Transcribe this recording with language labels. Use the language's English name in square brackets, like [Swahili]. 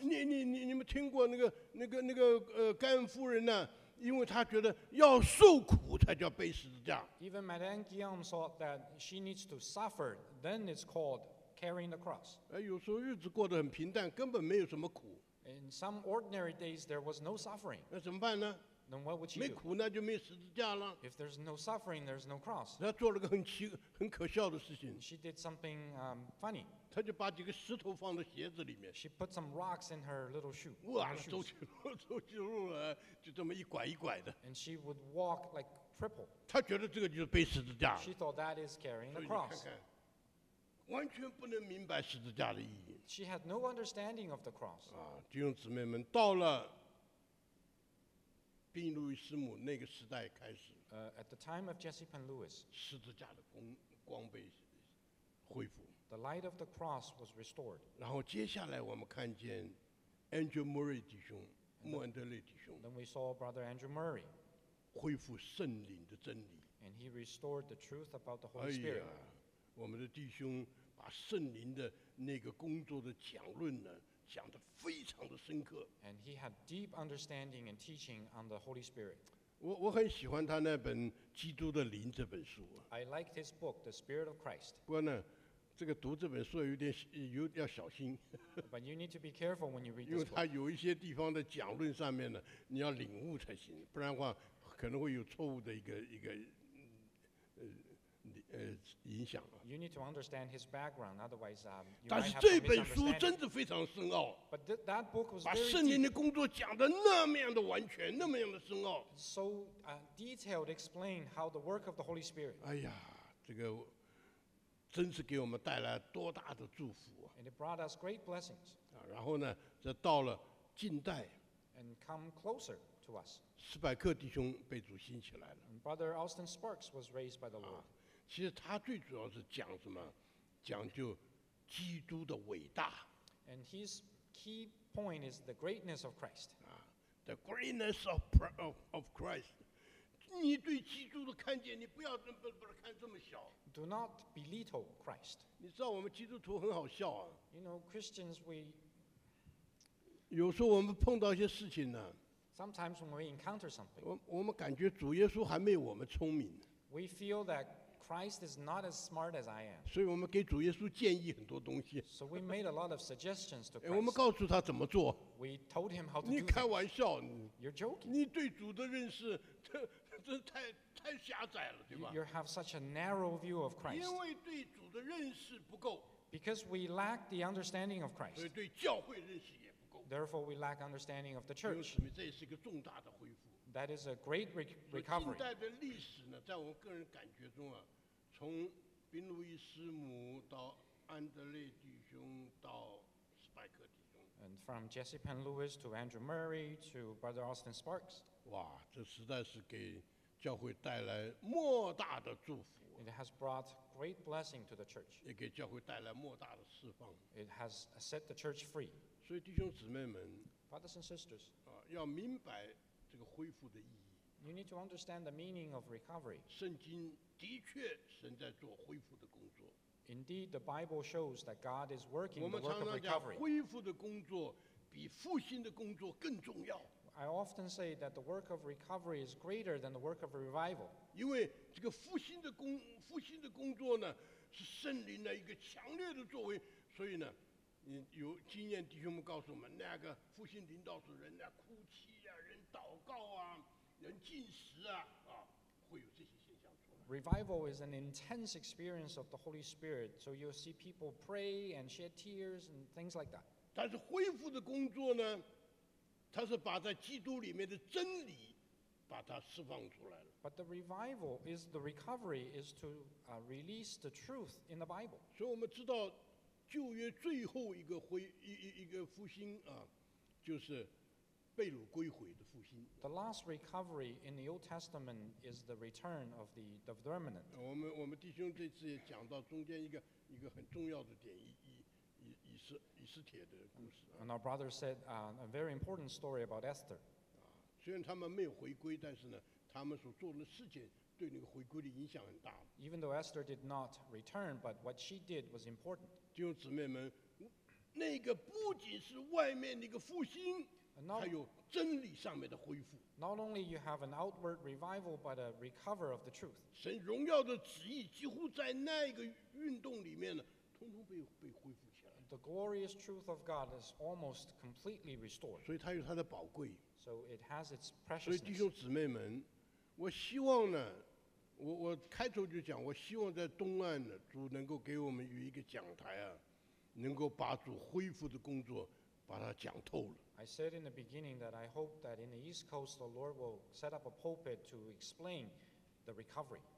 [Chinese] 你们听过那个盖恩夫人呢、啊？因为她觉得要受苦才叫背十字架。 [English] Even Madame Guyon thought that she needs to suffer, then it's called. Carrying the cross. [Chinese] 有时候日子过得很平淡，根本没有什么苦。 [English] And some ordinary days there was no suffering. [Chinese] 那怎么办呢？ [English] Then what would you? [Chinese] 没苦那就没十字架了。 [English] If there's no suffering, there's no cross. [Chinese] 他做了个很可笑的事情。 [English] She did something funny. [Chinese] 他就把几个石头放在鞋子里面。 [English] She put some rocks in her little shoe. [Chinese] 哇，走起路来就这么一拐一拐的。 [English] And she would walk like triple. [Chinese] 他觉得这个就是背十字架。 [English] She thought that is carrying the cross. [Chinese] 完全不能明白十字架的意义。 [English] She had no understanding of the cross. [Chinese] 啊，弟兄姊妹们，到了。宾路易斯母那个时代开始。 [English] At the time of Jesse Penn Lewis, [Chinese] 十字架的光被恢复。 [English] The light of the cross was restored. [Chinese] 然后接下来我们看见 Andrew Murray 弟兄，穆恩德勒弟兄。 [English] Then we saw Brother Andrew Murray. [Chinese] 恢复圣灵的真理。 [English] And he restored the truth about the Holy Spirit. [Chinese] 哎呀，我们的弟兄把圣灵的那个工作的讲论呢。讲得非常的深刻。 [English] And he had deep understanding and teaching on the Holy Spirit. [Chinese] 我很喜欢他那本《基督的灵》这本书。 [English] I liked his book, The Spirit of Christ. [Chinese] 不过呢，这个读这本书要小心。 [English] But you need to be careful when you read. [Chinese] 因为他有一些地方的讲论上面呢，你要领悟才行，不然的话可能会有错误的影响了。 [English] You need to understand his background, otherwise, you might have to [Chinese] 但是这本书真的非常深奥。 [English] But that book was very deep. [Chinese] 把圣灵的工作讲得那么样的完全，那么样的深奥。 [English] So detailed, explain how the work of the Holy Spirit. [Chinese] 哎呀，这个真是给我们带来多大的祝福啊 [English] ！And it brought us great blessings. [Chinese] 啊，然后呢，这到了近代。 [English] And come closer to us. [Chinese] 斯派克弟兄被主兴起来了。 [English] Brother Austin Sparks was raised by the Lord. [Chinese] 其实他最主要是讲什么？讲究基督的伟大。 [English] And his key point is the greatness of Christ. The greatness of Christ. [Chinese] 你对基督的看见，你不要不看这么小。 [English] Do not belittle Christ. [Chinese] 你知道我们基督徒很好笑啊。 [English] You know Christians, we. [Chinese] 有时候我们碰到一些事情呢。 [English] Sometimes when we encounter something. [Chinese] 我们感觉主耶稣还没有我们聪明。 [English] We feel that. Christ is not as smart as I am. [Chinese] 所以我们给主耶稣建议很多东西。 [English] So we made a lot of suggestions to Christ. [Chinese] 我们告诉他怎么做。 [English] We told him how to do. [Chinese] 你开玩笑，你。 [English] You're joking. [Chinese] 你对主的认识，这太狭窄了，对吧 [English] ？You have such a narrow view of Christ. [Chinese] 因为对主的认识不够。 [English] Because we lack the understanding of Christ. [Chinese] 所以对教会认识也不够。 [English] Therefore, we lack understanding of the church. [Chinese] 因为这也是一个重大的恢复。 [English] That is a great recovery. [Chinese] 近代的历史呢，在我个人感觉中啊。从宾路易斯母到安德烈弟兄到斯派克弟兄 [English] ，and from Jesse Penn Lewis to Andrew Murray to Brother Austin Sparks， [Chinese] 哇，这实在是给教会带来莫大的祝福。 [English] It has brought great blessing to the church， [Chinese] 也给教会带来莫大的释放。 [English] It has set the church free。 [Chinese] 所以弟兄姊妹们 [English] ，Brothers and sisters， [Chinese] 啊，要明白这个恢复的意义。 [English] You need to understand the meaning of recovery。 [Chinese] 圣经。的确，神在做恢复的工作。 [English] Indeed, the Bible shows that God is working the work of recovery. [Chinese] 我们常常讲，恢复的工作比复兴的工作更重要。 [English] I often say that the work of recovery is greater than the work of revival. [Chinese] 因为这个复兴的工作呢，是圣灵的一个强烈的作为，所以呢，有经验弟兄们告诉我们，那个复兴领导者人呢，哭泣啊，人祷告啊，人进食啊，会有这些。 [English] Revival is an intense experience of the Holy Spirit, so you'll see people pray and shed tears and things like that. [Chinese] 但是恢复的工作呢，它是把在基督里面的真理把它释放出来了。 [English] But the revival is the recovery is to release the truth in the Bible. [Chinese] 所以我们知道旧约最后一个复兴啊，就是。被掳归回的复兴。 [English] The last recovery in the Old Testament is the return of the remnant. [Chinese] 我们弟兄这次也讲到中间一个很重要的点，以斯帖的故事。 [English] And our brother said a very important story about Esther. [Chinese] 虽然他们没有回归，但是呢，他们所做的事情对那个回归的影响很大。 [English] Even though Esther did not return, but what she did was important. [Chinese] 弟兄姊妹们，那个不仅是外面那个复兴。还有真理上面的恢复。 [English] Not only you have an outward revival, but a recover of the truth. [Chinese] 神荣耀的旨意几乎在那个运动里面呢，通通被恢复起来。 [English] the glorious truth of God is almost completely restored. [Chinese] 所以它有它的宝贵。 [English] So it has its preciousness. [Chinese] 所以弟兄姊妹们，我希望呢，我开头就讲，我希望在东岸呢，主能够给我们有一个讲台啊，能够把主恢复的工作把它讲透了。 [English] I said in the beginning that I hope that in the East Coast the Lord will set up a pulpit to explain the recovery.